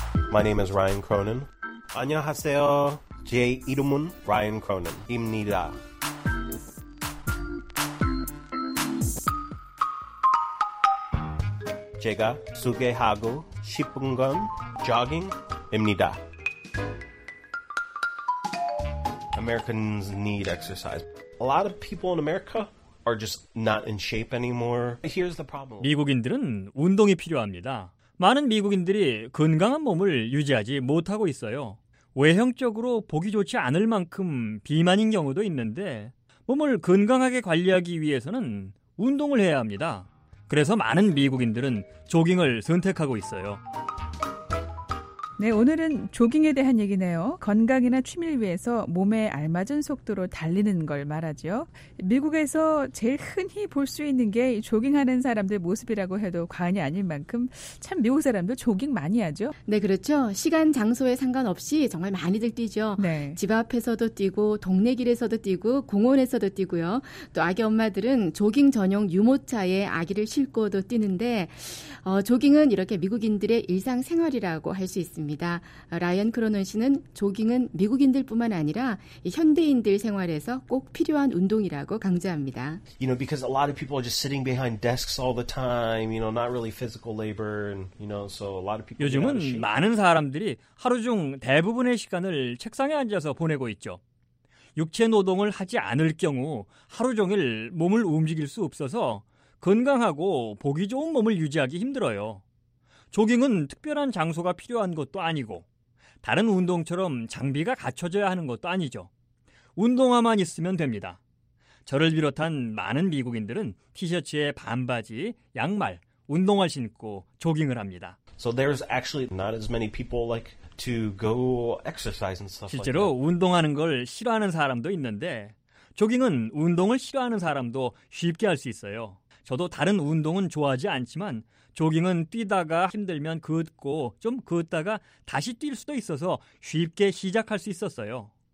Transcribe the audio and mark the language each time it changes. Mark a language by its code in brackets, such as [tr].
[en] My name is Ryan Cronin. [ko] 안녕하세요. 제 이름은 라이언 크로넌입니다. 제가 소개하고 싶은 건 조깅입니다. [en] Americans need exercise. A lot of people in America are just not in shape anymore. Here's the problem. [ko] 미국인들은 운동이 필요합니다. 많은 미국인들이 건강한 몸을 유지하지 못하고 있어요. 외형적으로 보기 좋지 않을 만큼 비만인 경우도 있는데 몸을 건강하게 관리하기 위해서는 운동을 해야 합니다. 그래서 많은 미국인들은 조깅을 선택하고 있어요. 네, 오늘은 조깅에 대한 얘기네요. 건강이나 취미를 위해서 몸에 알맞은 속도로 달리는 걸 말하죠. 미국에서 제일 흔히 볼 수 있는 게 조깅하는 사람들 모습이라고 해도 과언이 아닐 만큼 참 미국 사람들 조깅 많이 하죠. 네, 그렇죠. 시간, 장소에 상관없이 정말 많이들 뛰죠. 네. 집 앞에서도 뛰고 동네 길에서도 뛰고 공원에서도 뛰고요. 또 아기 엄마들은 조깅 전용 유모차에 아기를 싣고도 뛰는데 조깅은 이렇게 미국인들의 일상생활이라고 할 수 있습니다. 라이언 크로논 씨는 조깅은 미국인들뿐만 아니라 현대인들 생활에서 꼭 필요한 운동이라고 강조합니다. [en] You know, because a lot of people are just sitting behind desks all the time, you know, not really physical labor, you know, so a lot of people. [ko] 요즘은 많은 사람들이 하루 중 대부분의 시간을 책상에 앉아서 보내고 있죠. 육체 노동을 하지 않을 경우 하루 종일 몸을 움직일 수 없어서 건강하고 보기 좋은 몸을 유지하기 힘들어요. 조깅은 특별한 장소가 필요한 것도 아니고 다른 운동처럼 장비가 갖춰져야 하는 것도 아니죠. 운동화만 있으면 됩니다. 저를 비롯한 많은 미국인들은 티셔츠에 반바지, 양말, 운동화 신고 조깅을 합니다. [en] So there's actually not as many people like to go exercise and stuff like that. [ko] 실제로 운동하는 걸 싫어하는 사람도 있는데 조깅은 운동을 싫어하는 사람도 쉽게 할 수 있어요. 저도 다른 운동은 좋아하지 않지만 조깅은 뛰다가 힘들면 걷고 좀 걷다가 다시 뛸 수도 있어서 쉽게 시작할 수 있었어요.